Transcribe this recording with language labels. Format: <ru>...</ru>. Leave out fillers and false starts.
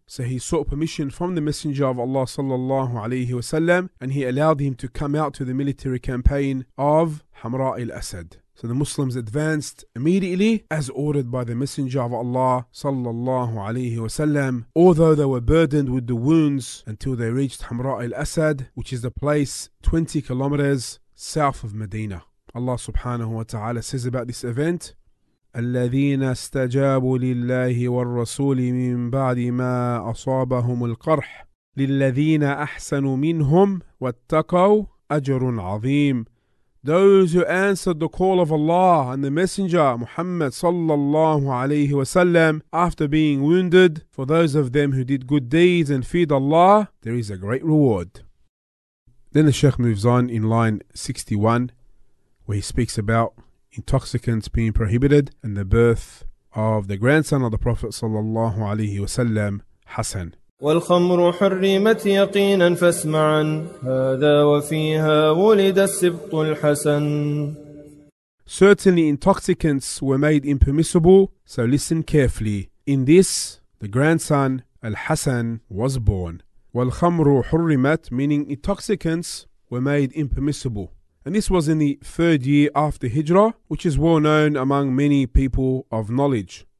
<en>So he sought permission from the Messenger of Allah sallallahu alayhi wasallam, and he allowed him to come out to the military campaign of Hamra'il Asad. So the Muslims advanced immediately as ordered by the Messenger of Allah sallallahu alayhi wasallam, although they were burdened with the wounds until they reached Hamra al-Asad, which is the place 20 kilometers south of Medina. Allah subhanahu wa ta'ala says about this event,</en> <ar>الَّذِينَ اسْتَجَابُوا لِلَّهِ وَالرَّسُولِ مِنْ بَعْدِ مَا أَصَابَهُمُ الْقَرْحِ لِلَّذِينَ أَحْسَنُوا مِنْهُمْ وَاتَّقَوْا أَجْرٌ عَظِيمٌ.</ar> <en>Those who answered the call of Allah and the Messenger Muhammad sallallahu alayhi wasallam after being wounded, for those of them who did good deeds and feared Allah, there is a great reward. Then the Sheikh moves on in line 61, where he speaks about intoxicants being prohibited and the birth of the grandson of the Prophet sallallahu alayhi wasallam, Hassan.</en> <ar>والخمر حرمت يقينا فاسمعا هذا وفيها ولد السبط الحسن.</ar> <en>Certainly intoxicants were made impermissible, so listen carefully. In this, the grandson Al-Hasan was born.</en> <ar>والخمر حرمت,</ar> <en>meaning intoxicants were made impermissible. And this was in the third year after Hijrah, which is well known among many people of knowledge.</en>